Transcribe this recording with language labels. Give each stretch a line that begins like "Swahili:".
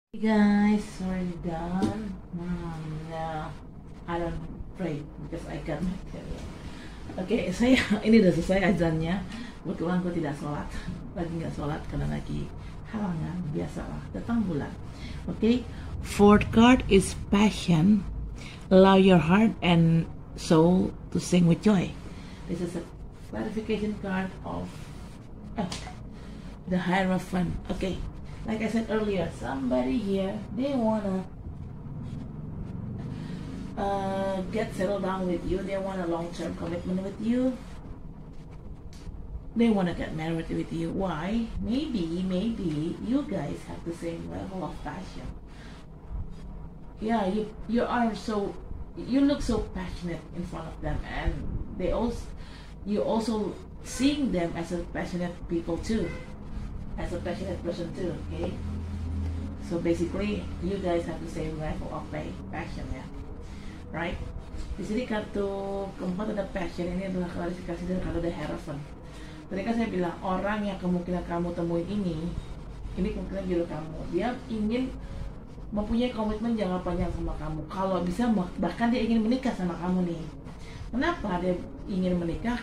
English: Hey guys, sorry done. Yeah, I don't pray because I can't.
Indonesian: Okay, saya ini udah selesai azannya. Kebetulan aku tidak sholat, lagi nggak sholat karena lagi halangan, biasalah. Datang bulan. Okay,
English: fourth card is passion. Allow your heart and soul to sing with joy. This is a clarification card of the Hierophant. Okay, like I said earlier, somebody here, they wanna get settled down with you. They want a long-term commitment with you. They wanna get married with you. Why? Maybe you guys have the same level of passion. Yeah, you are so, you look so passionate in front of them, and they also, you also seeing them as a passionate people too, as a passionate person too. Okay, so basically you guys have the same level of passion, ya, yeah?
Indonesian: Right? Di sini kartu keempat ada
English: passion.
Indonesian: Ini adalah klarifikasi dari kartu The Hierophant. Tadi kan saya bilang orang yang kemungkinan kamu temuin ini kemungkinan jodoh kamu. Dia ingin mempunyai komitmen jangka panjang sama kamu. Kalau bisa bahkan dia ingin menikah sama kamu nih. Kenapa dia ingin menikah?